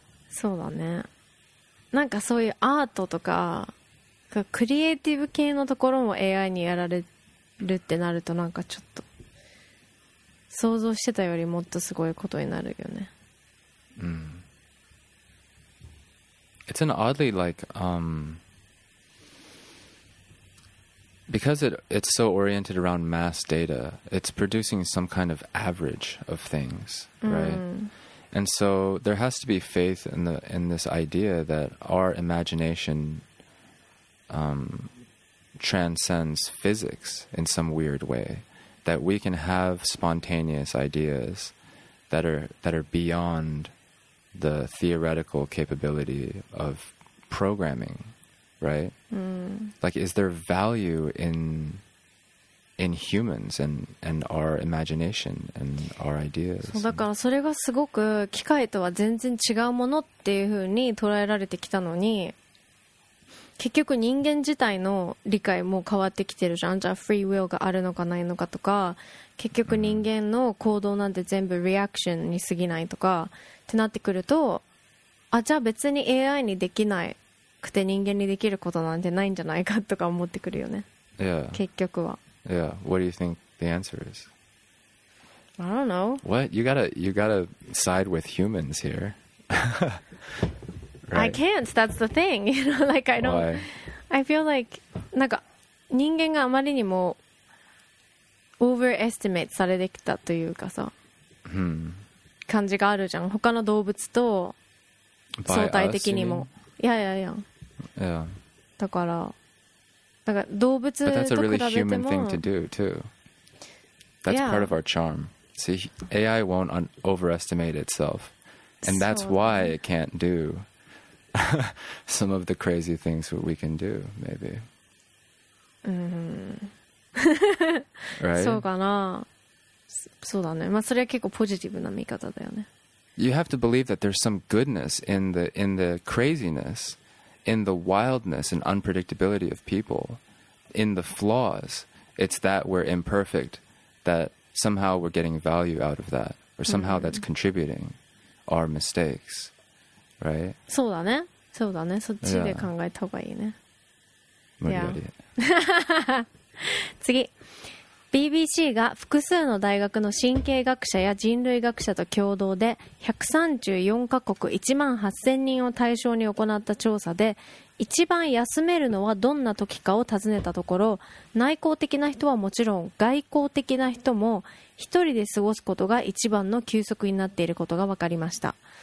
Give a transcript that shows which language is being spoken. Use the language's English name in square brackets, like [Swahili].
[Japanese] そうだね。なんかそういうアートとかクリエイティブ系のところも AI にやられるってなると、なんかちょっと想像してたよりもっとすごいことになるよね。うん。 [English] It's an oddly like because it's so oriented around mass data, it's producing some kind of average of things, right? And so there has to be faith in this idea that our imagination transcends physics in some weird way, that we can have spontaneous ideas that are beyond the theoretical capability of programming, right? Like, is there value in humans and our imagination and our ideas? [Japanese] そう、だからそれがすごく機械とは全然違うものっていう風に捉えられてきたのに、結局人間自体の理解も変わってきてるじゃん。じゃあフリーウィルがあるのかないのかとか、結局人間の行動なんて全部リアクションに過ぎないとかってなってくると、あ、じゃあ別に AI にできなくて人間にできることなんてないんじゃないかとか思ってくるよね。 [English] Yeah. [Japanese] 結局は。 [English] Yeah. What do you think the answer is? I don't know. What? You gotta side with humans here. Right. I can't. That's the thing. You know, like I don't. Why? I feel like, [Japanese] なんか人間があまりにも overestimate されてきたというかさ。感じがあるじゃん。他の動物と相対的にも。いやいやいや。だから、だから動物と比べても。 [English] That's a really human thing to do too. That's part of our charm. See, AI won't overestimate itself, and that's why it can't do some of the crazy things that we can do, maybe. Right? [Japanese] そうかな。そうだね。まあそれは結構ポジティブな見方だよね。 [English] You have to believe that there's some goodness in the craziness, in the wildness and unpredictability of people, in the flaws. It's that we're imperfect, that somehow we're getting value out of that, or somehow that's contributing our mistakes, right? [Japanese] そうだね。そうだね。そっちで考えた方がいいね。無理やり。次。 BBC が複数の大学の神経学者や人類学者と共同で134カ国1万8000人を対象に行った調査で、一番休めるのはどんな時かを尋ねたところ、内向的な人はもちろん外向的な人も一人で過ごすことが一番の休息になっていることが分かりました。